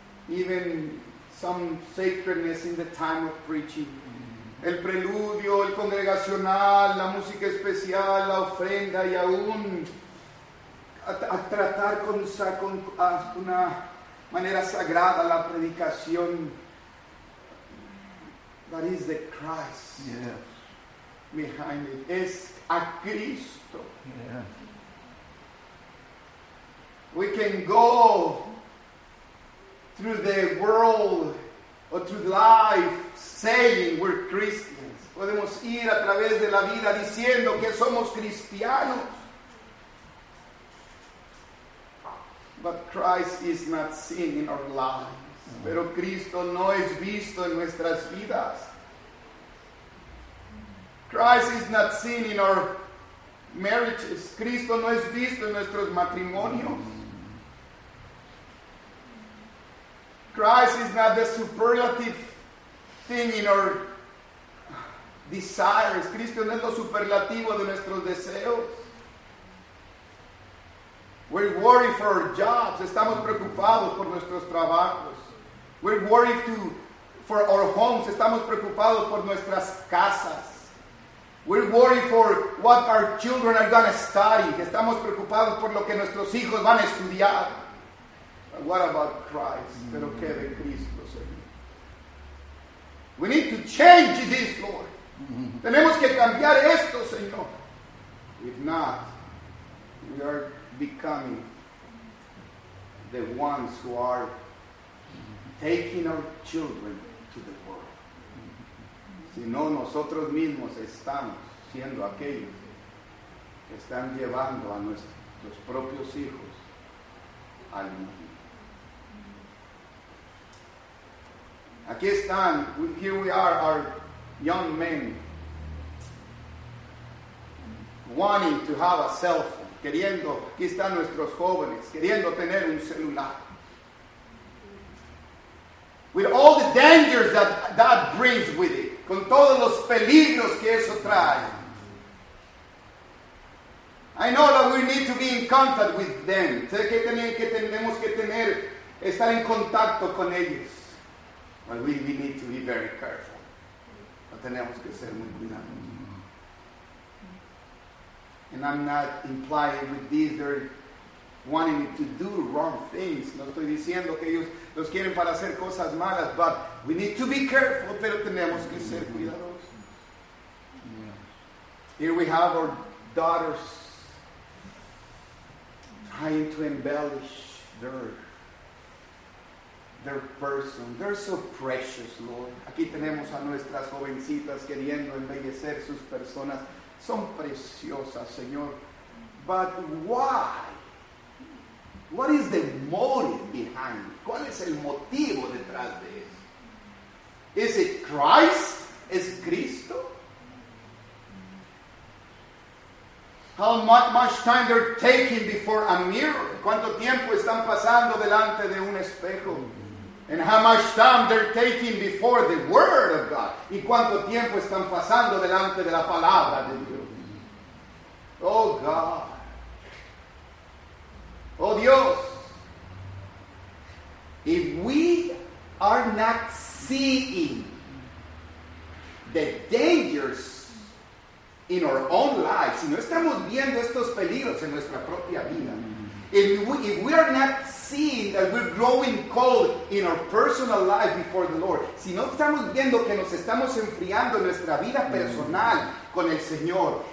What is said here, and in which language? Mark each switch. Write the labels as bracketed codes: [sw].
[en] Even some sacredness in the time of preaching. [es] El preludio, el congregacional, la música especial, la ofrenda y aún a tratar con una manera sagrada la predicación. [en] That is the Christ behind it. [es] Es a Cristo. [en] We can go through the world or through life saying we're Christians. [es] Podemos ir a través de la vida diciendo que somos cristianos. [en] But Christ is not seen in our lives. Mm-hmm. [es] Pero Cristo no es visto en nuestras vidas. [en] Christ is not seen in our marriages. [es] Cristo no es visto en nuestros matrimonios. [en] Christ is not the superlative thing in our desires. [es] Cristo no es lo superlativo de nuestros deseos. [en] We're worried for our jobs. [es] Estamos preocupados por nuestros trabajos. [en] We're worried for our homes. [es] Estamos preocupados por nuestras casas. [en] We're worried for what our children are going to study. [es] Estamos preocupados por lo que nuestros hijos van a estudiar. [en] But what about Christ? [es] Mm-hmm. Pero qué de Cristo, Señor. [en] We need to change this, Lord. Mm-hmm. [es] Tenemos que cambiar esto, Señor. [en] If not, we are becoming the ones who are taking our children to the world. [es] Si no, nosotros mismos estamos siendo aquellos que están llevando a nuestros propios hijos al mundo. Aquí están, [en] here we are, our young men wanting to have a cell phone, [es] queriendo, aquí están nuestros jóvenes, queriendo tener un celular. [en] With all the dangers that brings with it, [es] con todos los peligros que eso trae. [en] I know that we need to be in contact with them. [es] Sé que tenemos que tener, estar en contacto con ellos. [en] But we need to be very careful. [es] Pero tenemos que ser muy cuidadosos. [en] And I'm not implying with these they're wanting to do wrong things. [es] No estoy diciendo que ellos los quieren para hacer cosas malas, [en] but we need to be careful, [es] pero tenemos que ser cuidadosos. [en] Yeah. Here we have our daughters trying to embellish their person. They're so precious, Lord. [es] Aquí tenemos a nuestras jovencitas queriendo embellecer sus personas. Son preciosas, Señor. [en] But why? What is the motive behind? [es] ¿Cuál es el motivo detrás de eso? [en] Is it Christ? [es] ¿Es Cristo? [en] How much time they're taking before a mirror? [es] ¿Cuánto tiempo están pasando delante de un espejo? [en] And how much time they're taking before the Word of God? [es] ¿Y cuánto tiempo están pasando delante de la Palabra de Dios? [en] Oh God. [es] Oh Dios. [en] If we are not seeing the dangers in our own lives, [es] si no estamos viendo estos peligros en nuestra propia vida, [en] if we are not seeing that we're growing cold in our personal life before the Lord, [es] si no estamos viendo que nos estamos enfriando en nuestra vida personal con el Señor,